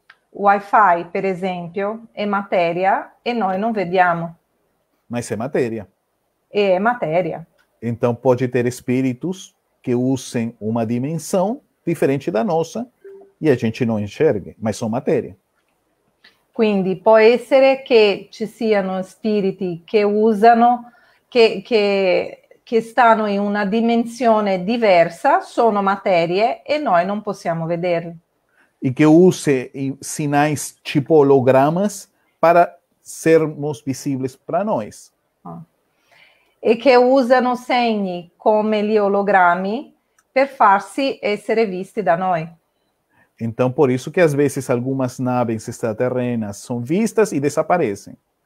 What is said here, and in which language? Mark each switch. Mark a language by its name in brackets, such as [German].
[Italian] O Wi-Fi, per esempio, è materia e noi non vediamo. [Portuguese] Mas [Italian] è materia. E è materia. [Portuguese] Então pode ter espíritos que usem uma dimensão diferente da nossa e a gente não enxerga, mas são matéria. [Italian] Quindi può essere che ci siano spiriti che usano, che stanno in una dimensione diversa, sono materie e noi non possiamo vederli. E che [Portuguese] use sinais tipo hologramas para sermos visibles para nós. [Italian] E che usano segni come gli ologrammi per farsi essere visti da noi. [Portuguese] Então, por isso que às vezes algumas naves extraterrenas são vistas e desaparecem.